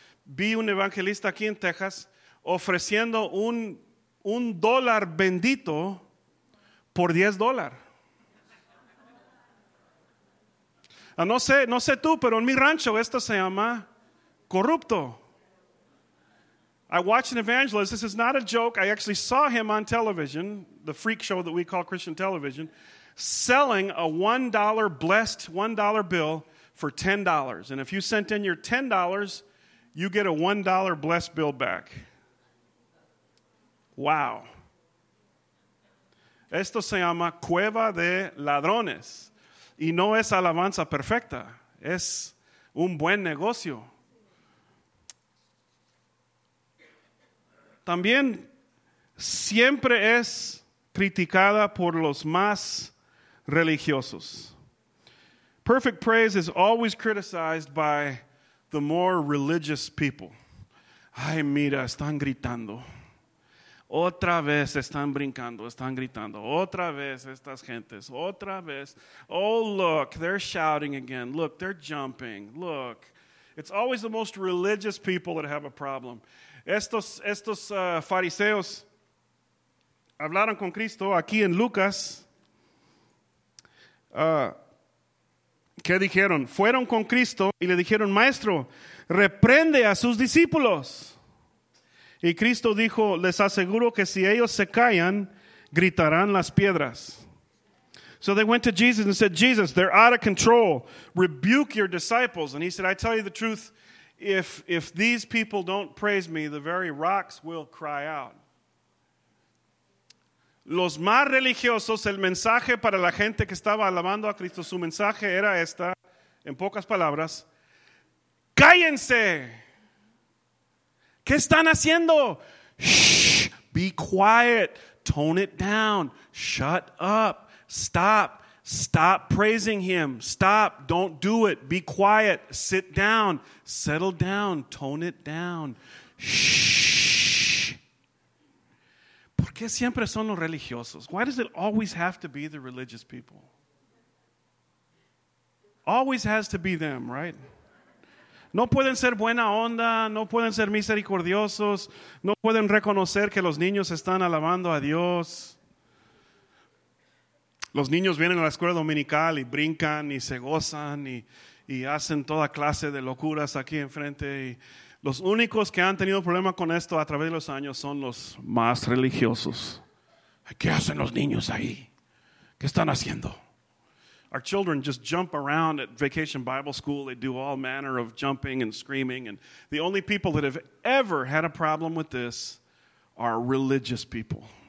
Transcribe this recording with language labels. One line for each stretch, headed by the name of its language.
Spanish: Vi un evangelista aquí en Texas ofreciendo un dólar bendito por $10. No sé tú, pero en mi rancho esto se llama corrupto.
English: I watched an evangelist. This is not a joke. I actually saw him on television, the freak show that we call Christian television, selling a $1 blessed $1 bill for $10. And if you sent in your $10, you get a $1 blessed bill back. Wow.
Spanish: Esto se llama Cueva de Ladrones. Y no es alabanza perfecta. Es un buen negocio. También siempre es criticada por los más religiosos.
English: Perfect praise is always criticized by the more religious people.
Spanish: Ay, mira, están gritando. Otra vez están brincando, están gritando. Otra vez estas gentes, otra vez.
English: Oh, look, they're shouting again. Look, they're jumping. Look. It's always the most religious people that have a problem.
Spanish: Estos fariseos hablaron con Cristo aquí en Lucas. ¿Qué dijeron? Fueron con Cristo y le dijeron, Maestro, reprende a sus discípulos. Y Cristo dijo, les aseguro que si ellos se callan, gritarán las piedras.
English: So they went to Jesus and said, Jesus, they're out of control. Rebuke your disciples. And he said, I tell you the truth, if these people don't praise me, the very rocks will cry out.
Spanish: Los más religiosos, el mensaje para la gente que estaba alabando a Cristo, su mensaje era esta, en pocas palabras, ¡cállense! ¿Qué están haciendo? ¡Shh!
English: Be quiet. Tone it down. Shut up. Stop. Stop praising him. Stop. Don't do it. Be quiet. Sit down. Settle down. Tone it down. Shh.
Spanish: ¿Por qué siempre son los religiosos?
English: Why does it always have to be the religious people? Always has to be them, right?
Spanish: No pueden ser buena onda, no pueden ser misericordiosos, no pueden reconocer que los niños están alabando a Dios. Los niños vienen a la escuela dominical y brincan y se gozan y hacen toda clase de locuras aquí enfrente. Y los únicos que han tenido problema con esto a través de los años son los más religiosos. ¿Qué hacen los niños ahí? ¿Qué están haciendo?
English: Our children just jump around at Vacation Bible School. They do all manner of jumping and screaming. And the only people that have ever had a problem with this are religious people.